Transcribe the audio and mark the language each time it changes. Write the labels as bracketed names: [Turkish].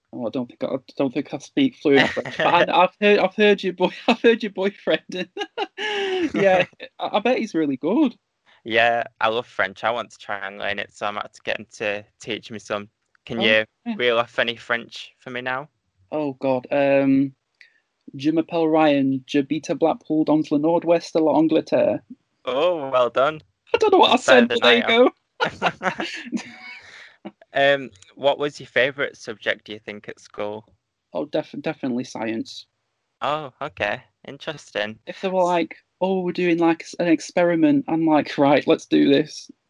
[English] Oh, I don't think I speak fluent French. But I've heard your boyfriend. Yeah, I bet he's really good. Yeah, I love French. I want to try and learn it, so I'm about to get him to teach me some. Can you reel off any French for me now? [French] Oh God, je m'appelle Ryan, j'habite Blackpool dans le nord-ouest de l'Angleterre. [English] Oh, well done. I don't know what I said, but there you go. What was your favourite subject, do you think, at school? Oh, definitely science. Oh, okay. Interesting. If they were like, oh, we're doing like an experiment, I'm like, right, let's do this.